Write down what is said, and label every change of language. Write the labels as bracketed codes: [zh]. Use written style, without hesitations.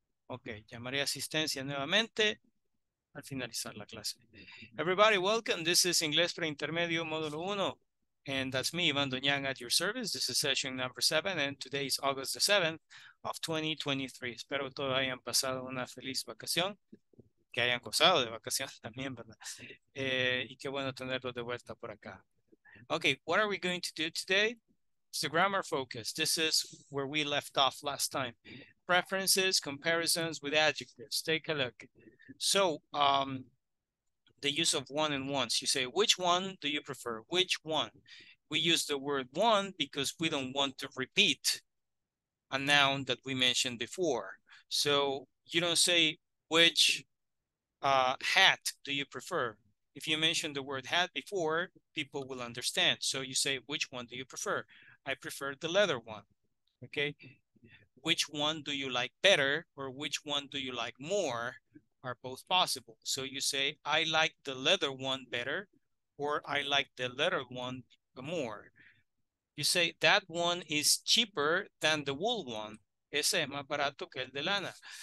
[es] Ok, llamaré asistencia nuevamente al finalizar la clase. [en] Everybody, welcome. This is Inglés Preintermedio, módulo 1. And that's me, Iván Doñán, at your service. This is session number 7, and today is August the 7th of 2023. [es] Espero todos hayan pasado una feliz vacación, que hayan gozado de vacaciones también, ¿verdad? Y qué bueno tenerlos de vuelta por acá. [en] Okay, what are we going to do today? It's the grammar focus. This is where we left off last time. Preferences, comparisons with adjectives. Take a look. So, the use of one and ones. You say, which one do you prefer? Which one? We use the word one because we don't want to repeat a noun that we mentioned before. So you don't say, which hat do you prefer? If you mention the word hat before, people will understand. So you say, which one do you prefer? I prefer the leather one. Okay. Which one do you like better, or which one do you like more, are both possible. So you say, I like the leather one better, or I like the leather one more. You say, that one is cheaper than the wool one. [es] Ese es más barato que el de lana.